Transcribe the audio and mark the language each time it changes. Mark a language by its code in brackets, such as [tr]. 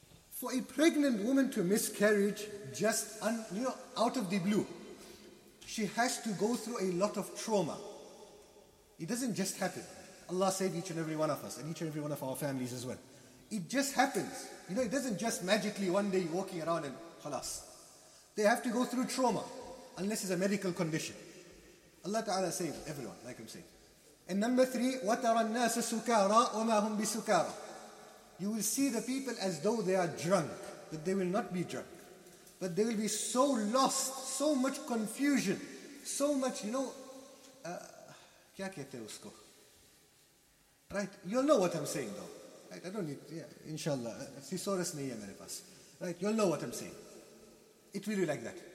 [en] For a pregnant woman to miscarriage just out of the blue, she has to go through a lot of trauma. It doesn't just happen. Allah save each and every one of us and each and every one of our families as well. It just happens. You know, it doesn't just magically one day you're walking around and halas. They have to go through trauma unless it's a medical condition. Allah Ta'ala save everyone, like I'm saying. And number three, [ar] وَتَرَى النَّاسَ سُكَارَى وَمَا هُمْ بِسُكَارَى. [en] You will see the people as though they are drunk, but they will not be drunk. But they will be so lost, so much confusion, so much, you know, [hi] kya kehte usko? [en] Right? You'll know what I'm saying though. Right? I don't need, inshallah, thesaurus [hi] nahi hai mere paas. [en] Right? You'll know what I'm saying. It will be like that.